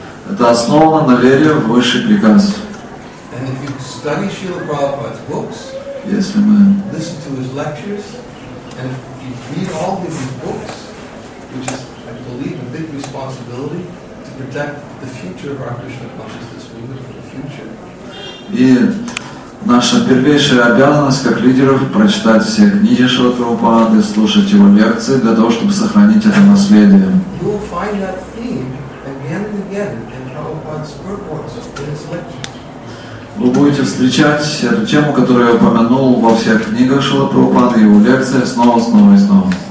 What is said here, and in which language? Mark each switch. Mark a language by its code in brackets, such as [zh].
[ru] Это основано на вере в высший приказ. [en] And if you study Srila Prabhupada's books, yes, amen. Listen to his lectures, and if you read all of his books, which is, I believe, a big responsibility to protect the future of our Krishna consciousness movement for the future. [ru] И наша первейшая обязанность как лидеров прочитать все книги Шрилы Прабхупады, слушать его лекции для того, чтобы сохранить это наследие. [en] You will find that theme again and again in Prabhupada's books and his lectures. [ru] Вы будете встречать эту тему, которую я упомянул во всех книгах Шрилы Прабхупады, его лекции снова, снова и снова.